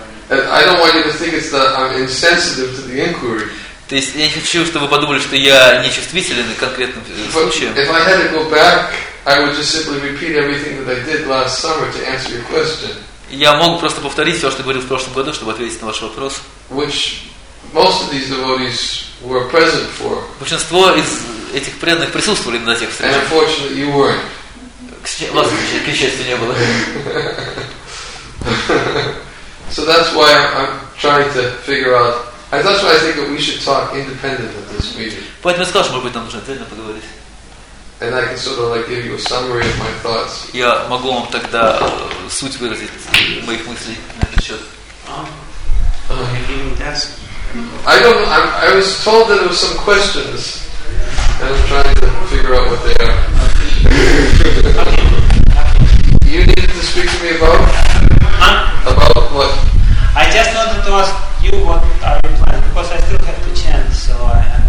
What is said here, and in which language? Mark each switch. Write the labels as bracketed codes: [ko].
[en] And I don't want you to think it's that I'm insensitive to the inquiry. [ru] То есть я не хочу, чтобы вы подумали, что я не чувствителен к конкретным случаям. [en] If I had to go back, I would just simply repeat everything that I did last summer to answer your question. [ru] Я мог просто повторить все, что говорил в прошлом году, чтобы ответить на ваш вопрос. [en] Which most of these devotees were present for. [ru] Большинство из этих преданных присутствовали на тех встречах. [en] And unfortunately, you weren't. [ru] Вас, к счастью, не было. [en] So that's why I'm trying to figure out. And that's why I think that we should talk independently at this meeting. [ru] Поэтому я сказал, что, может быть, нам нужно отдельно поговорить. [en] And I can sort of like give you a summary of my thoughts. [ru] Я могу вам тогда суть выразить моих мыслей на этот счет. [en] I don't know. I was told that there were some questions, and I'm trying to figure out what they are. You needed to speak to me about? Huh? About what? I just wanted to ask you what are your plans, because I still have to chant, so I